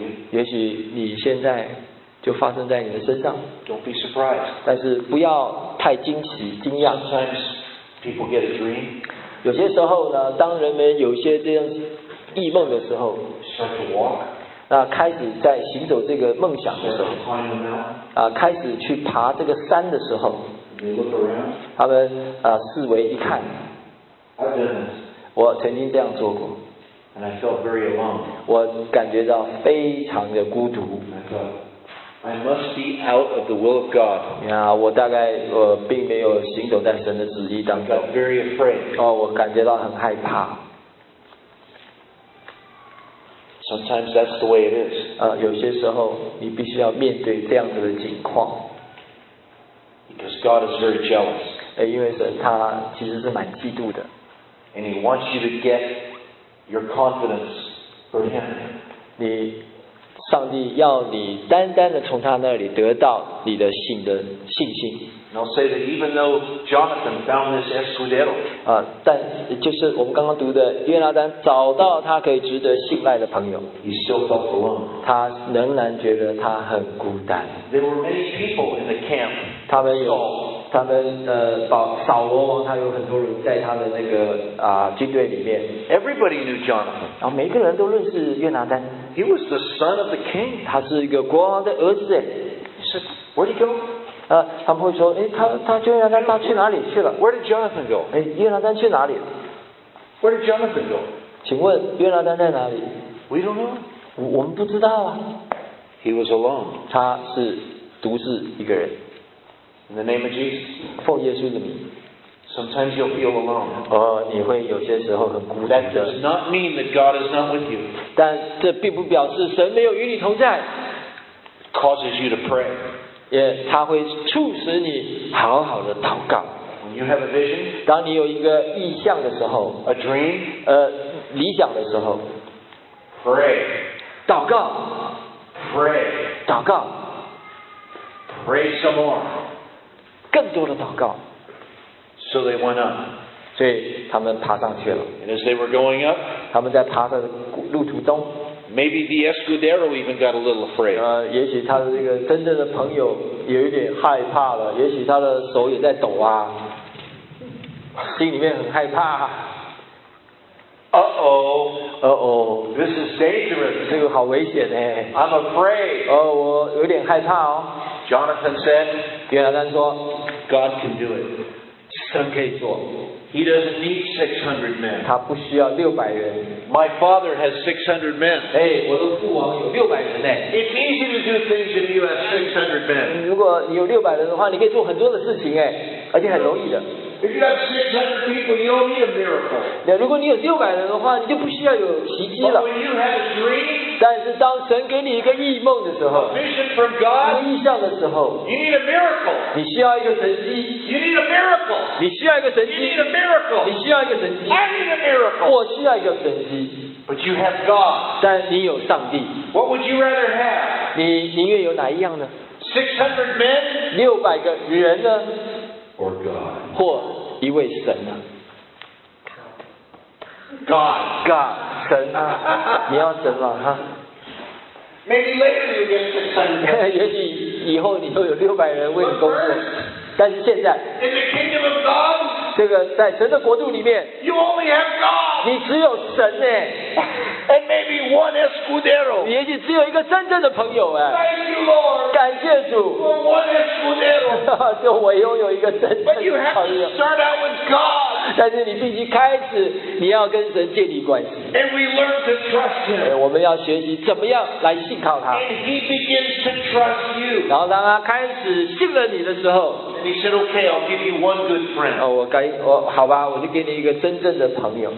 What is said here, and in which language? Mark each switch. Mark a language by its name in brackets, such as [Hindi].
[Chinese] 也许你现在就发生在你的身上。 [English] Don't be surprised. [Chinese] 但是不要太惊奇、惊讶。 [English] Sometimes people get a dream. [Chinese] 有些时候呢，当人们有些这样异梦的时候 [English] ，start to walk. [Chinese] 那开始在行走这个梦想的时候 [English] ，start to climb the mountain. [Chinese] 开始去爬这个山的时候 [English] ，they look around. [Chinese] 他们四围一看 [English] ，I've done this. [Chinese] 我曾经这样做过。 [English] And I felt very alone. [Chinese] 我感觉到非常的孤独。 [English] I must be out of the will of God. [Chinese] 我大概并没有行走在神的旨意当中。 [English] I felt very afraid. [Chinese] 我感觉到很害怕。 [English] Sometimes that's the way it is. [Chinese] 有些时候你必须要面对这样子的境况。 [English] Because God is very jealous. [Chinese] 因为神他其实是蛮嫉妒的。 [English] And He wants you to get Your confidence for Him. [Chinese] 你上帝要你单单的从他那里得到你的信心。 [English] And I'll say that even though Jonathan found this escudero, [Chinese] 但就是我们刚刚读的约拿单找到他可以值得信赖的朋友， [English] he still felt alone. [Chinese] 他仍然觉得他很孤单。 [English] There were many people in the camp. [Chinese] 他们有他们扫罗王他有很多人在他的那个军队里面。 [English] Everybody knew Jonathan. [Chinese] 每个人都认识约拿单。 [English] He was the son of the king. [Chinese] 他是一个国王的儿子。 [English] He said, "Where did he go?" [Chinese] 他们会说，他约拿单他去哪里去了 [English] ？Where did Jonathan go? [Chinese] 约拿单去哪里 [English] ？Where did Jonathan go? [Chinese] 请问约拿单在哪里 [English] ？We don't know. [Chinese] 我们不知道啊。 [English] He was alone. [Chinese] 他是独自一个人。 [English] In the name of Jesus. [Chinese] 奉耶稣的名。 [English] Sometimes you'll feel alone. [Chinese] 你会有些时候很孤单。 [English] That does not mean that God is not with you. [Chinese] 但这并不表示神没有与你同在。 [English] Causes you to pray. [Chinese] 也他会促使你好好的祷告。 [English] When you have a vision. [Chinese] 当你有一个意象的时候。 [English] A dream. [Chinese] 理想的时候。 [English] Pray. [Chinese] 祷告。 [English] Pray. [Chinese] 祷告。 [English] Pray some more. [Chinese] 更多的祷告。 [English] So they went up. [Chinese] 所以他们爬上去了。 [English] And as they were going up, [Chinese] 他们在爬的路途中。 [English] Maybe the escudero even got a little afraid. [Chinese] 也许他的这个真正的朋友有一点害怕了，也许他的手也在抖啊，心里面很害怕。 [English] Uh-oh. This is dangerous. [Chinese] 这个好危险哎。 [English] I'm afraid. [Chinese] 我有点害怕哦。 [English] Jonathan said, [Chinese] 约拿单说 [English] God can do it. [Chinese] 神可以做。 [English] He doesn't need 600 men. [Chinese] 他不需要600人。 [English] My father has 600 men. [Chinese] 我的父王有600人哎。 [English] It's easy to do things if you have 600 men. [Chinese] 如果你有600人的话，你可以做很多的事情哎，而且很容易的。 [English] If you have 600 people, you don't need a miracle. [Chinese] 如果你有600人的话，你就不需要有奇迹了。 [English] But when you have a dream, [Chinese] 但是当神给你一个异梦的时候， [English] a vision from God, [Chinese] 一个异象的时候， [English] you need a miracle. [Chinese] 你需要一个神迹。 [English] You need a miracle. [Chinese] 你需要一个神迹。 [English] You need a miracle. [Chinese] 你需要一个神迹。 [English] I need a miracle. [Chinese] 我需要一个神迹。 [English] But you have God. [Chinese] 但你有上帝。 [English] What would you rather have? [Chinese] 你宁愿有哪一样呢？ [English] 600 men. [Chinese] 600个人呢？ [English] Or God. [Chinese] 或一位神啊 [English] God [Chinese] 神啊，你要神吗？哈 [English] ，Maybe later you get 600. [Chinese] 也许以后你都有600人为你工作， [English] first, [Chinese] 但是现在 [English] ，In the kingdom of God， [Chinese] 这个在神的国度里面 [English] ，You only have God， [Chinese] 你只有神哎。 [English] And maybe one escudero. [Chinese] 也许只有一个真正的朋友哎。 [English] Thank you, Lord. [Chinese] 感谢主。 [English] For one escudero. [Chinese] 就我拥有一个真正的朋友。 [English] But you have to start out with God. [Chinese] 但是你必须开始，你要跟神建立关系。 [English] And we learn to trust Him. [Chinese] 我们要学习怎么样来信靠他。 [English] And He begins to trust you. [Chinese] 然后当他开始信任你的时候。 [English] And He said, "Okay, I'll give you one good friend." [Chinese] 我好吧，我就给你一个真正的朋友。